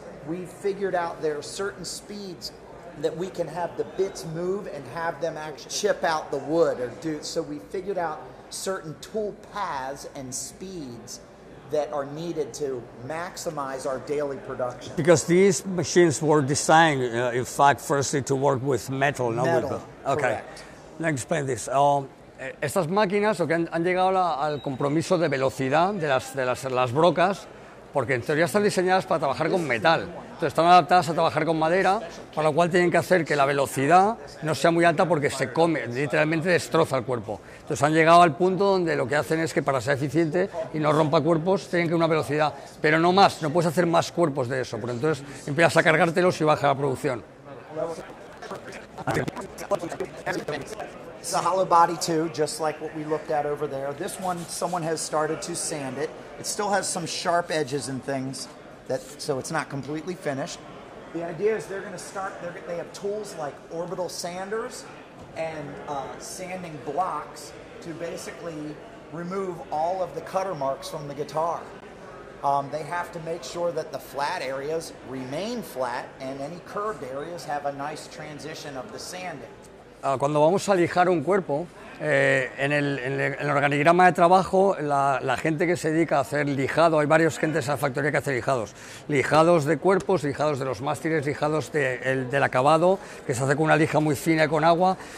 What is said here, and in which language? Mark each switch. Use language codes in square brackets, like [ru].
[en] We figured out there are certain speeds that we can have the bits move and have them actually chip out the wood or do. So we figured out certain tool paths and speeds that are needed to maximize our daily production. Because these machines were designed, in fact, firstly to work with metal, not metal, with the, okay. Let me explain this. [es] Estas máquinas o que han llegado al compromiso de velocidad de las brocas, porque en teoría están diseñadas para trabajar con metal, entonces están adaptadas a trabajar con madera, para lo cual tienen que hacer que la velocidad no sea muy alta porque se come, literalmente destroza el cuerpo. Entonces han llegado al punto donde lo que hacen es que para ser eficiente y no rompa cuerpos, tienen que una velocidad, pero no más, no puedes hacer más cuerpos de eso, porque entonces empiezas a cargártelos y baja la producción. [en] It's a hollow body too, just like what we looked at over there. This one, someone has started to sand it. It still has some sharp edges and things, that so it's not completely finished. The idea is they're going to start, they have tools like orbital sanders and sanding blocks to basically remove all of the cutter marks from the guitar. They have to make sure that the flat areas remain flat and any curved areas have a nice transition of the sanding. [es] Cuando vamos a lijar un cuerpo, en el organigrama de trabajo, la gente que se dedica a hacer lijado, hay varias gentes en la factoría que hace lijados. Lijados de cuerpos, lijados de los mástiles, lijados del acabado, que se hace con una lija muy fina y con agua.